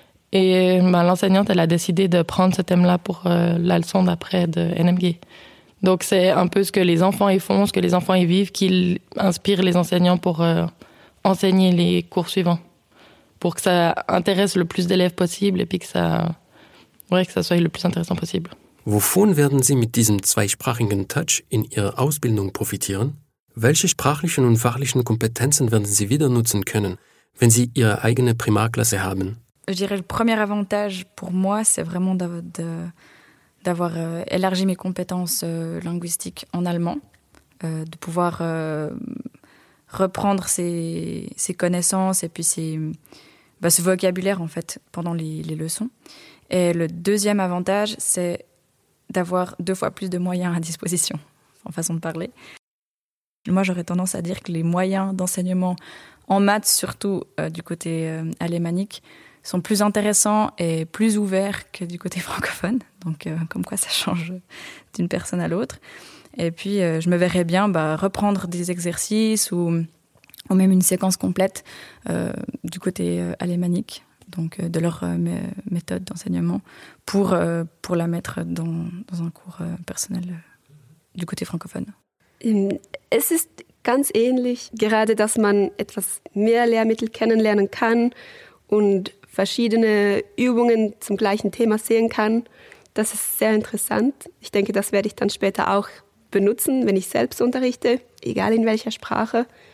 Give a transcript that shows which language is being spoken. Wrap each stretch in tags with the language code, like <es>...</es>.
<fr>Et ben, l'enseignante, elle a décidé de prendre ce thème-là pour la leçon d'après de NMG. Donc c'est un peu ce que les enfants y font, ce que les enfants y vivent, qui inspire les enseignants pour enseigner les cours suivants, pour que ça intéresse le plus d'élèves possible et puis que ça, ouais, que ça soit le plus intéressant possible.</fr> <de>Wovon werden Sie mit diesem zweisprachigen Touch in Ihrer Ausbildung profitieren? Welche sprachlichen und fachlichen Kompetenzen werden Sie wieder nutzen können, wenn Sie Ihre eigene Primarklasse haben?</de> <fr>Je dirais le premier avantage pour moi, c'est vraiment d'avoir élargi mes compétences linguistiques en allemand, de pouvoir reprendre ces connaissances et puis ce vocabulaire en fait pendant les leçons. Et le deuxième avantage, c'est d'avoir deux fois plus de moyens à disposition, en façon de parler. Moi, j'aurais tendance à dire que les moyens d'enseignement en maths, surtout du côté alémanique, sont plus intéressants et plus ouverts que du côté francophone. Donc, comme quoi ça change d'une personne à l'autre. Et puis, je me verrais bien reprendre des exercices ou même une séquence complète du côté alémanique, donc de leur méthode d'enseignement, pour la mettre dans un cours personnel du côté francophone.</fr> <de>Es ist ganz ähnlich, gerade dass man etwas mehr Lehrmittel kennenlernen kann und verschiedene Übungen zum gleichen Thema sehen kann. Das ist sehr interessant. Ich denke, das werde ich dann später auch benutzen, wenn ich selbst unterrichte, egal in welcher Sprache.</de>